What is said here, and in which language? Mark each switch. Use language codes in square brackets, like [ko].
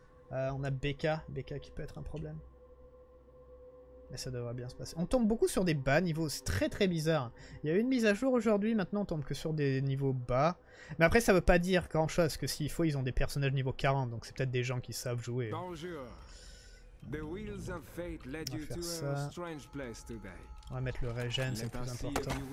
[fr] On a Becca qui peut être un problème. Mais ça devrait bien se passer. On tombe beaucoup sur des bas niveaux, c'est très très bizarre. Il y a eu une mise à jour aujourd'hui, maintenant on tombe que sur des niveaux bas. Mais après ça veut pas dire grand chose, que s'il faut ils ont des personnages niveau 40, donc c'est peut-être des gens qui savent jouer. Bonjour. [en] The wheels of fate led you to a strange place today. [fr] On va mettre le régène, c'est le plus important.